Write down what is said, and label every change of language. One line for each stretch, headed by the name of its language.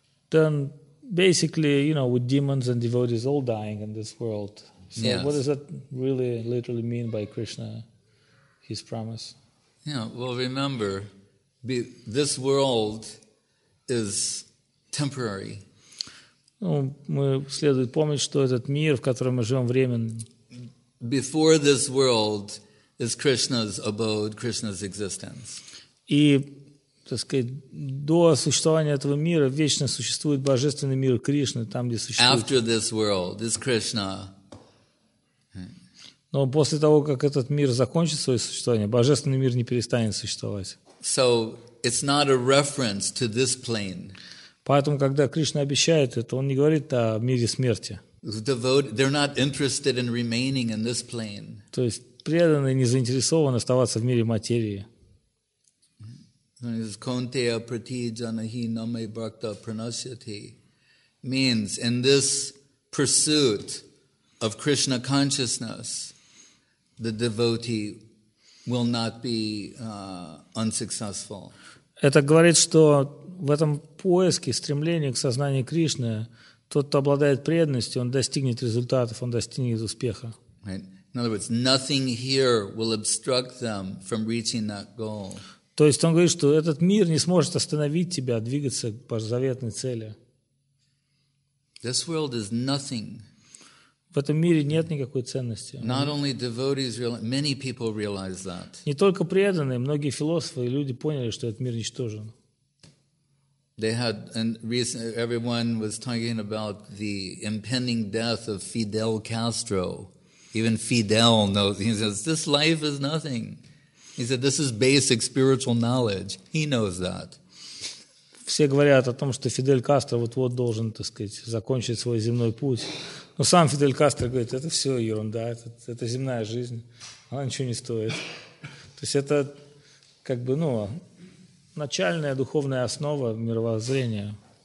English: Then basically, you know, with demons and devotees all dying in this world. So yes. What does that really literally mean by Krishna, his promise? Yeah, well remember, this world is temporary.
Russian: Ну, мы следует помнить, что этот мир, в котором мы живем, временный.
English: Before this world is Krishna's abode, Krishna's existence.
Russian: И, так сказать, до существования этого мира вечно существует божественный мир Кришны, там, где существует.
English: After this world is Krishna.
Russian: Но после того, как этот мир закончит свое существование, божественный мир не перестанет существовать.
English: So it's not a reference to this plane.
Russian: Поэтому, когда Кришна обещает это, он не говорит о мире смерти.
English: They're not interested in remaining in this plane.
Russian: То есть преданные не заинтересованы оставаться в мире материи.
Sanskrit: Kaunteya Pratijanahi Name Bhakta Pranasyati
English: means in this pursuit of Krishna consciousness, the devotee will not be unsuccessful.
Russian: Это говорит, что в этом поиске, стремлении к сознанию Кришны, тот, кто обладает преданностью, он достигнет результатов, он достигнет успеха.
English: Right. In other words, nothing here will obstruct them from reaching that goal.
Russian: То есть он говорит, что этот мир не сможет остановить тебя двигаться по заветной цели.
English: This world is nothing.
Russian: В этом мире нет никакой ценности.
English: Not only devotees, many people realize that.
Russian: Не только преданные, многие философы и люди поняли, что этот мир ничтожен.
English: They had, and recently, everyone was talking about the impending death of Fidel Castro. Even Fidel knows. He says, "This life is nothing." He said, "This is basic spiritual knowledge." He knows that.
Russian: Все говорят о том, что Фидель Кастро вот-вот должен, так сказать, закончить свой земной путь. Но сам Фидель Кастро говорит, это все ерунда, это земная жизнь, она ничего не стоит. То есть это как бы, ну, начальная духовная основа мировоззрения.